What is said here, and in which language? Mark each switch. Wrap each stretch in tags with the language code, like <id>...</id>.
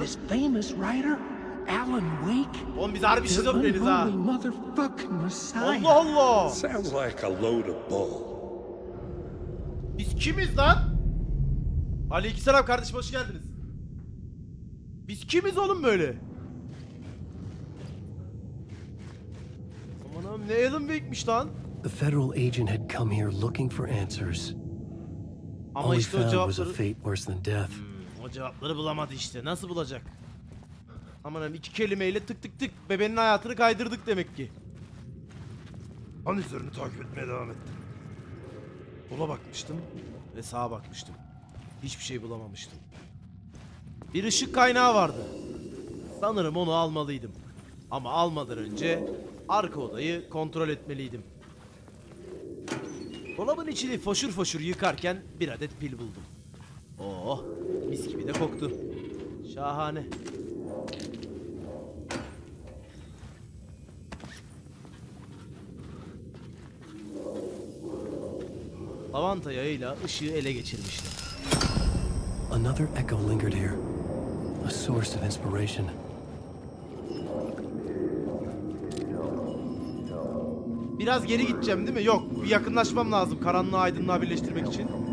<en>This famous writer, Alan Wake.</en> <tr>Oğlum biz harbi şizofreniz ha.</tr> <en>Motherfucking Messiah.</en> <tr>Allah Allah.</tr> <en>Sounds like a load of bull.</en> <tr>Biz kimiz lan? Aleykümselam kardeşim, hoş geldiniz. Biz kimiz oğlum böyle? Aman abi, ne Alan Wake'miş lan?</tr> <en>The federal agent had come here looking for answers.</en> <tr>Ama</tr> <en>all</en> <tr>işte o cevapları...</tr> <en>was a fate worse than death.</en> <tr>O cevapları bulamadı işte. Nasıl bulacak? Aman abi, iki kelimeyle tık tık tık bebenin hayatını kaydırdık demek ki. An izlerini takip etmeye devam ettim. Sola bakmıştım ve sağa bakmıştım. Hiçbir şey bulamamıştım. Bir ışık kaynağı vardı. Sanırım onu almalıydım. Ama almadan önce arka odayı kontrol etmeliydim. Dolabın içini foşur foşur yıkarken bir adet pil buldum. Oh, mis gibi de koktu. Şahane. Lavanta yağıyla ışığı ele geçirmişti.</tr> <en>Another echo lingered here. A source of inspiration.</en> <tr>Biraz geri gideceğim değil mi? Yok, bir yakınlaşmam lazım karanlığı aydınlığa birleştirmek için.</tr>